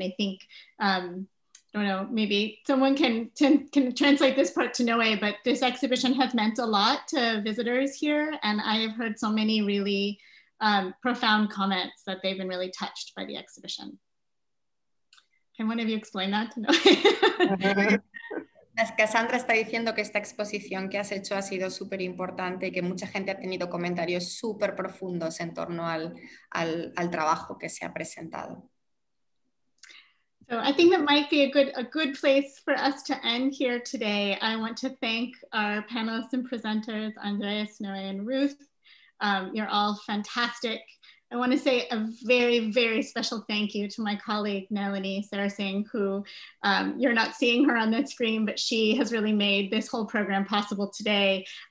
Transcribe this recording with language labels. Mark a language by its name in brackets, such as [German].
[English] And I think, I don't know, maybe someone can translate this part to Noé, but this exhibition has meant a lot to visitors here. And I have heard so many really profound comments that they've been really touched by the exhibition. Can one of you explain that to Noé? [Spanish] As Cassandra está diciendo que esta exposición que has hecho ha sido súper importante y que mucha gente ha tenido comentarios súper profundos en torno al trabajo que se ha presentado. [English] So I think that might be a good place for us to end here today. I want to thank our panelists and presenters, Andrés, Noé, and Ruth. You're all fantastic. I want to say a very, very special thank you to my colleague, Melanie Sarasing, who you're not seeing her on the screen, but she has really made this whole program possible today.